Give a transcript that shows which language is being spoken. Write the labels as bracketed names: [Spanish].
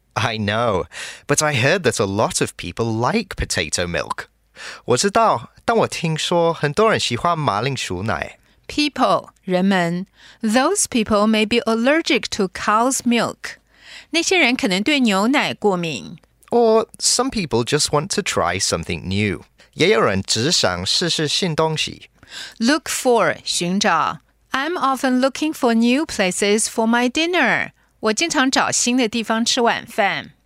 [English] I know, but I heard that a lot of people like potato milk. [Chinese] 我知道,但我听说很多人喜欢马铃薯奶。 [English] People, 人们 those people may be allergic to cow's milk. [Chinese] 那些人可能对牛奶过敏。 [English] Or some people just want to try something new. [Chinese] 也有人只想试试新东西。 [English] Look for, 寻找。 I'm often looking for new places for my dinner. [Chinese] 我经常找新的地方吃晚饭。